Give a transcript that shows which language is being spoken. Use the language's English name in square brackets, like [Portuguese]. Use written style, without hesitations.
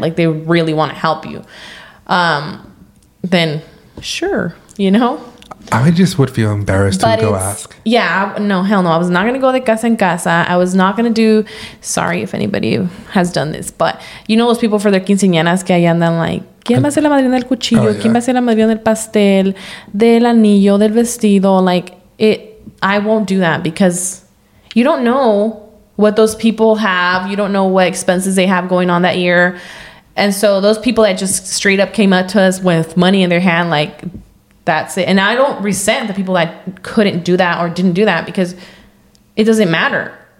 [English] Like, they really want to help you. Then, sure, you know? I just would feel embarrassed to go ask. Yeah, no, hell no. I was not going to go to [Spanish] casa en casa. [English] I was not going to do... Sorry if anybody has done this, but... You know those people for their quinceañeras [Spanish] que ahí andan [English] like... [Spanish] ¿Quién va a ser la madrina del cuchillo? [English] Oh, yeah. [Spanish] ¿Quién va a ser la madrina del pastel? ¿Del anillo? ¿Del vestido? [English] Like, I won't do that because you don't know what those people have. You don't know what expenses they have going on that year. And so those people that just straight up came up to us with money in their hand, like, that's it. And I don't resent the people that couldn't do that or didn't do that because it doesn't matter.